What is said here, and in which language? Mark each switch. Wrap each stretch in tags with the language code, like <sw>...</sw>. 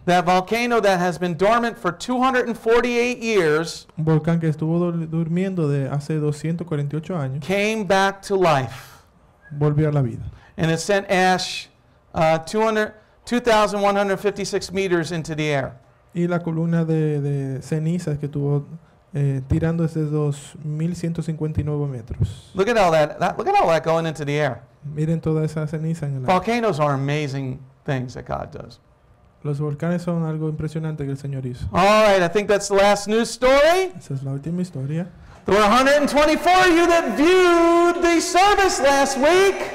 <en>That volcano that has been dormant for 248 years.</en> <es>Un volcán que estuvo durmiendo de hace 248 años.</es> <en>Came back to life.</en> <es>Volvió a la vida.</es> <en>And it sent ash 2,156 meters into the air.</en> <es>Y la columna de cenizas que estuvo tirando desde 2,159 metros.</es> <en>Look at all that. Look at all that going into the air.</en> <es>Miren toda esa ceniza en el aire.</es> <en>Volcanoes are amazing things that God does.</en> <es>Los volcanes son algo impresionante que el Señor hizo.</es> <en>All right, I think that's the last news story.</en> <es>Esa es la última historia.</es> <en>There were 124 of you that viewed the service last week.</en>